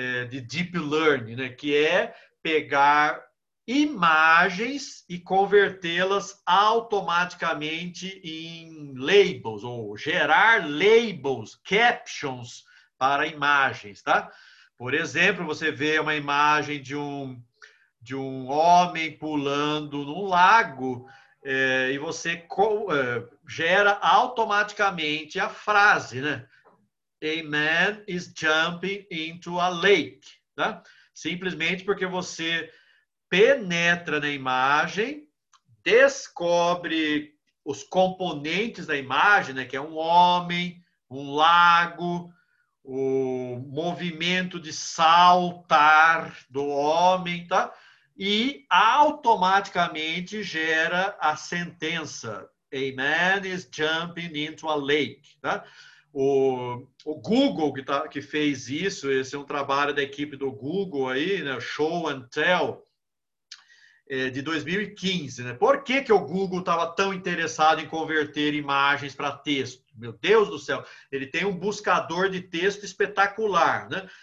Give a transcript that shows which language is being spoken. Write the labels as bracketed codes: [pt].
[pt] De deep learning, né? Que é pegar imagens e convertê-las automaticamente em labels, ou gerar labels, captions para imagens, tá? Por exemplo, você vê uma imagem de um homem pulando num lago, e você gera automaticamente a frase, né? [en] A man is jumping into a lake, tá? [pt] Simplesmente porque você penetra na imagem, descobre os componentes da imagem, né? Que é um homem, um lago, o movimento de saltar do homem, tá? E automaticamente gera a sentença. [en] A man is jumping into a lake, tá? [pt] O Google que fez isso, esse é um trabalho da equipe do Google aí, né, Show and Tell, de 2015, né? Por que que o Google estava tão interessado em converter imagens para texto? Meu Deus do céu, ele tem um buscador de texto espetacular, né?